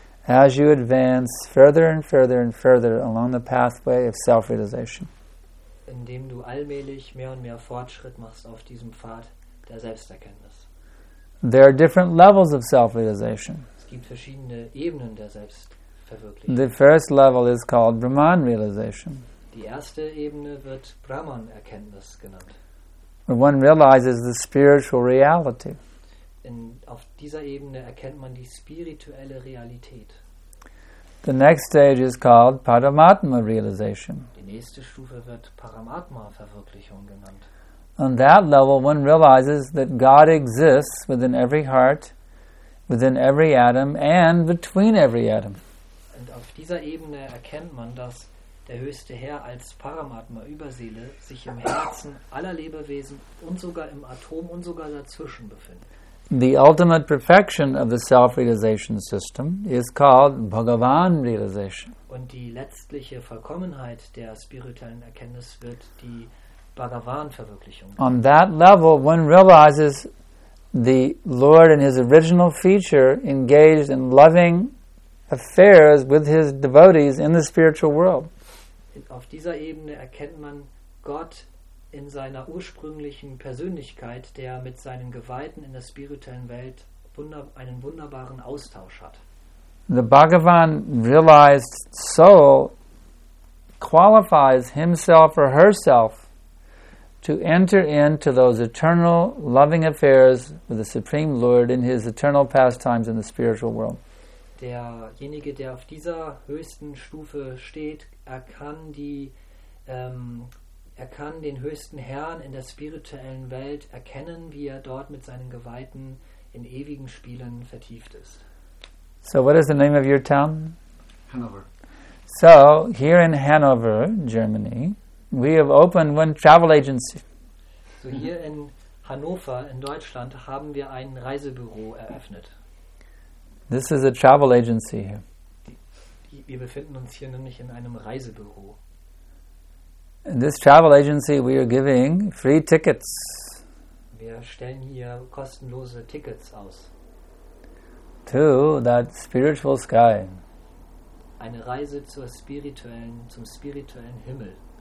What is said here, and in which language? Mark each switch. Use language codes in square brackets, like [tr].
[en] As you advance further and further and further along the pathway of self-realization. [de] Indem du allmählich mehr und mehr Fortschritt machst auf diesem Pfad der Selbsterkenntnis. [en] There are different levels of self-realization. [de] Es gibt verschiedene Ebenen der Selbstverwirklichung. [en] The first level is called Brahman realization. [de] Die erste Ebene wird Brahman-Erkenntnis genannt. [en] When one realizes the spiritual reality. [de] Auf dieser Ebene erkennt man die spirituelle Realität. [en] The next stage is called Paramatma realization. [de] Die nächste Stufe wird Paramatma-Verwirklichung genannt. [en] On that level, one realizes that God exists within every heart, within every atom, and between every atom. [de] Und auf dieser Ebene erkennt man, dass der höchste Herr als Paramatma über Seele sich im Herzen aller Lebewesen und sogar im Atom und sogar dazwischen befindet. [en] The ultimate perfection of the self-realization system is called Bhagavan realization. [de] Und die letztliche Vollkommenheit der spirituellen Erkenntnis wird die Bhagavan-Verwirklichung. [en] On that level, one realizes the Lord in his original feature engaged in loving affairs with his devotees in the spiritual world. [de] Auf dieser Ebene erkennt man Gott in seiner ursprünglichen Persönlichkeit, der mit seinen Geweihten in der spirituellen Welt einen wunderbaren Austausch hat. [en] The Bhagavan realized soul qualifies himself or herself to enter into those eternal loving affairs with the Supreme Lord in his eternal pastimes in the spiritual world. [de] Derjenige, der auf dieser höchsten Stufe steht, er kann den höchsten Herrn in der spirituellen Welt erkennen, wie er dort mit seinen Geweihten in ewigen Spielen vertieft ist. [en] So, what is the name of your town? Hanover. So, here in Hanover, Germany, we have opened one travel agency. [de] So, hier in Hannover, in Deutschland, haben wir ein Reisebüro eröffnet. [en] This is a travel agency here. [de] Wir befinden uns hier nämlich in einem Reisebüro. [en] In this travel agency we are giving free tickets. [de] Wir stellen hier kostenlose Tickets aus. [en] To that spiritual sky. [de] Eine Reise zum spirituellen Himmel.